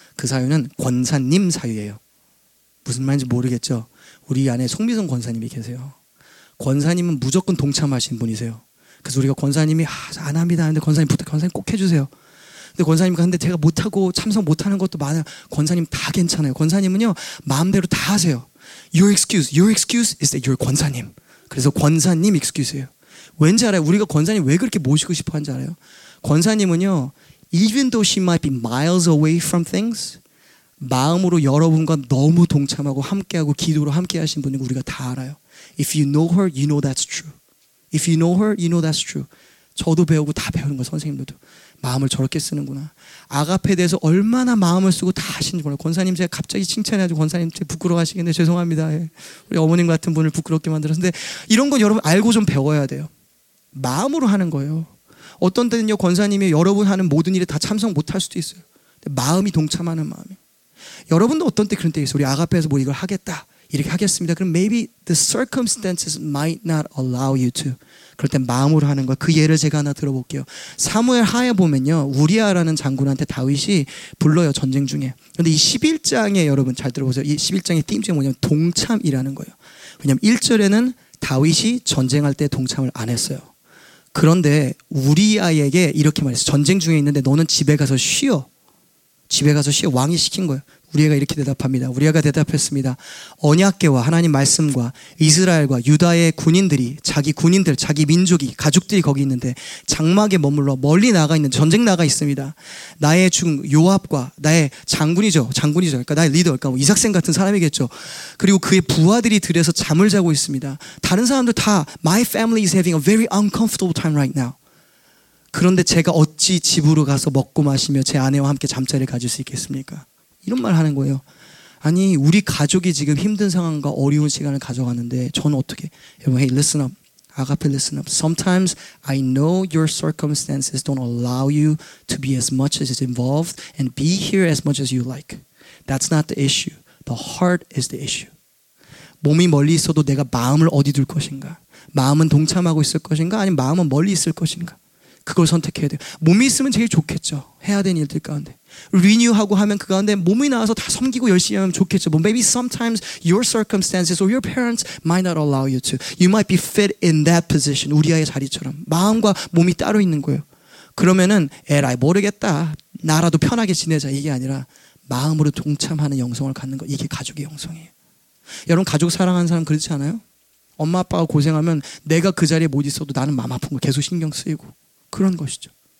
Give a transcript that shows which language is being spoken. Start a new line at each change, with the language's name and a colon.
Korean: 그 사유는 권사님 사유예요. 무슨 말인지 모르겠죠. 우리 안에 송미성 권사님이 계세요. 권사님은 무조건 동참하신 분이세요. 그래서 우리가 권사님이 안 합니다 하는데 권사님 부탁, 권사님 꼭 해주세요. 근데 권사님이 근데 제가 못하고 참석 못하는 것도 많아요. 권사님 다 괜찮아요. 권사님은요 마음대로 다 하세요.
English: Your excuse is that you're 권사님.
Korean: 그래서 권사님 excuse예요. 왠지 알아요? 우리가 권사님 왜 그렇게 모시고 싶어 하는지 알아요? 권사님은요
English: even though she might be miles away from things
Korean: 마음으로 여러분과 너무 동참하고 함께하고 기도로 함께하신 분이고 우리가 다 알아요.
English: If you know her, you know that's true. If you know her, you know that's true.
Korean: 저도 배우고 다 배우는 거예요, 선생님들도. 마음을 저렇게 쓰는구나. 아가페에 대해서 얼마나 마음을 쓰고 다 하신지 몰라요. 권사님 제가 갑자기 칭찬해가지고 권사님 제가 부끄러워하시겠네. 죄송합니다. 우리 어머님 같은 분을 부끄럽게 만들었는데 이런 건 여러분 알고 좀 배워야 돼요. 마음으로 하는 거예요. 어떤 때는요, 권사님이 여러분 하는 모든 일에 다 참석 못할 수도 있어요. 근데 마음이 동참하는 마음이. 여러분도 어떤 때 그런 때 있어요. 우리 아가페에서 뭐 이걸 하겠다. 이렇게 하겠습니다. 그럼
English: maybe the circumstances might not allow you to.
Korean: 그럴 땐 마음으로 하는 거야. 그 예를 제가 하나 들어볼게요. 사무엘 하에 보면요. 우리아라는 장군한테 다윗이 불러요. 전쟁 중에. 그런데 이 11장에 여러분 잘 들어보세요. 이 11장의 팀 중에 뭐냐면 동참이라는 거예요. 왜냐하면 1절에는 다윗이 전쟁할 때 동참을 안 했어요. 그런데 우리아에게 이렇게 말했어요. 전쟁 중에 있는데 너는 집에 가서 쉬어. 집에 가서 쉬어. 왕이 시킨 거예요. 우리아가 이렇게 대답합니다. 우리아가 대답했습니다. 언약궤와 하나님 말씀과 이스라엘과 유다의 군인들이 자기 군인들, 자기 민족이, 가족들이 거기 있는데 장막에 머물러 멀리 나가 있는 전쟁 나가 있습니다. 나의 중 요압과 나의 장군이죠. 장군이죠. 그러니까 나의 리더, 그러니까 이삭생 같은 사람이겠죠. 그리고 그의 부하들이 들에서 잠을 자고 있습니다. 다른 사람들 다
English: My family is having a very uncomfortable time right now.
Korean: 그런데 제가 어찌 집으로 가서 먹고 마시며 제 아내와 함께 잠자리를 가질 수 있겠습니까? 이런 말 하는 거예요. 아니 우리 가족이 지금 힘든 상황과 어려운 시간을 가져가는데 저는 어떻게 여러분
English: hey listen up. 아가페 listen up. Sometimes I know your circumstances don't allow you to be as much as involved and be here as much as you like. That's not the issue. The heart is the issue.
Korean: 몸이 멀리 있어도 내가 마음을 어디 둘 것인가? 마음은 동참하고 있을 것인가? 아니면 마음은 멀리 있을 것인가? 그걸 선택해야 돼요. 몸이 있으면 제일 좋겠죠. 해야 되는 일들 가운데. 리뉴하고 하면 그 가운데 몸이 나와서 다 섬기고 열심히 하면 좋겠죠.
English: But maybe sometimes your circumstances or your parents might not allow you to. You might be fit in that position.
Korean: 우리 아이의 자리처럼. 마음과 몸이 따로 있는 거예요. 그러면은 에라이 모르겠다. 나라도 편하게 지내자. 이게 아니라 마음으로 동참하는 영성을 갖는 거. 이게 가족의 영성이에요. 여러분 가족 사랑하는 사람 그렇지 않아요? 엄마 아빠가 고생하면 내가 그 자리에 못 있어도 나는 마음 아픈 거 계속 신경 쓰이고. 그런 것이죠.